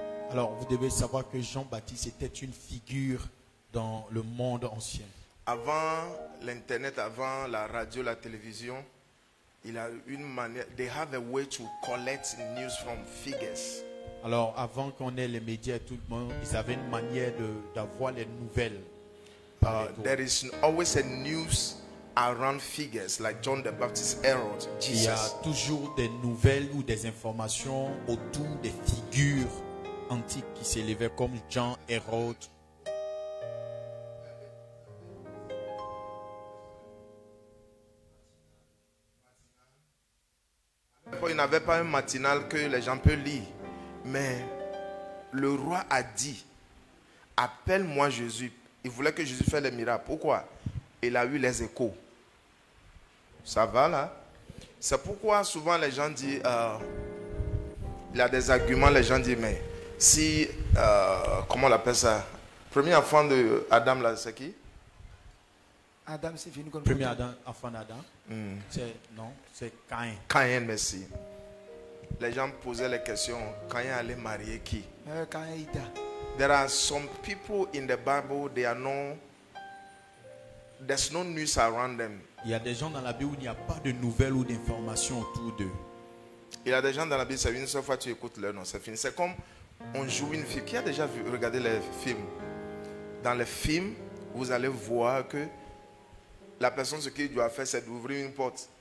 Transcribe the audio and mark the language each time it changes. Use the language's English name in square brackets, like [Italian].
[French] Alors vous devez savoir que Jean-Baptiste était une figure dans le monde ancien. Avant l'internet, avant la radio, la télévision, il a une manière, [English] they have a way to collect news from figures. [French] Alors avant qu'on ait les médias et tout le monde, ils avaient une manière d'avoir les nouvelles. [English] There is always a news around figures like John the Baptist, Herod, Jesus. [French] Il y a toujours des nouvelles ou des informations autour des figures antiques qui s'élevaient comme Jean, Herod. Il n'y avait pas un matinal que les gens peuvent lire, mais le roi a dit, appelle-moi Jésus. Il voulait que Jésus fasse les miracles. Pourquoi? Il a eu les échos. Ça va là? C'est pourquoi souvent les gens disent, il y a des arguments, les gens disent, mais si, comment on appelle ça? Premier enfant de Adam là, c'est qui? Adam, c'est fini. Premier enfant d'Adam? C'est Caïn. Caïn, merci. Les gens posaient les questions, Caïn allait marier qui? Caïn et Ida. [English] There are some people in the Bible, they are no, there's no news around them. [French] Il y a des gens dans la Bible où il n'y a pas de nouvelles ou d'informations autour d'eux. Il y a des gens dans la Bible, c'est une seule fois tu écoutes leur nom, c'est fini. C'est comme on joue une fille. Qui a déjà vu, regardé les films? Dans les films, vous allez voir que la personne, ce qu'il doit faire, c'est d'ouvrir une porte.